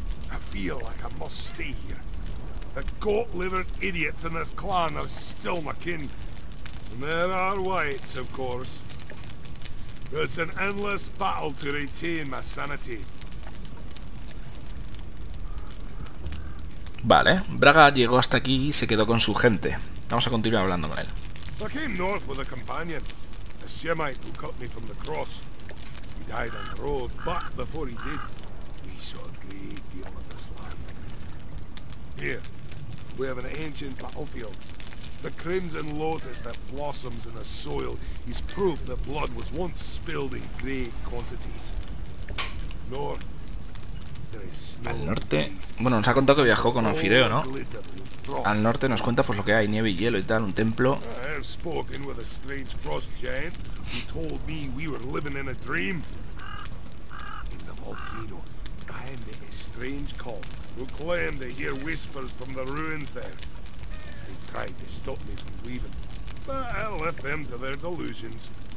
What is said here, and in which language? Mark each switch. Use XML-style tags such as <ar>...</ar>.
<en>I feel like I must stay here. The goat-livered idiots in this clan are still my kin. And there are whites, of course. It's an endless battle to retain my sanity.</en> <es>Vale, Braga llegó hasta aquí y se quedó con su gente. Vamos a continuar hablando con él.</es> <en>I came north with a companion, a Shemite who cut me from the cross. He died on the road, but before he did, we saw a great deal of this land. Here. We have an ancient battlefield. The crimson lotus that blossoms in the soil is proof that blood was once spilled in great quantities. North, there is snow.</en> <es>Al norte. Bueno, nos ha contado que viajó con Orfideo, ¿no? Al norte nos cuenta pues lo que hay, nieve y hielo y tal, un templo.</es> <en>I have spoken with a strange frost giant who told me we were living in a dream. In the volcano, I am a strange call. Who claim they hear whispers from the ruins there. They tried to stop me from leaving, but I left them to their delusions.</en>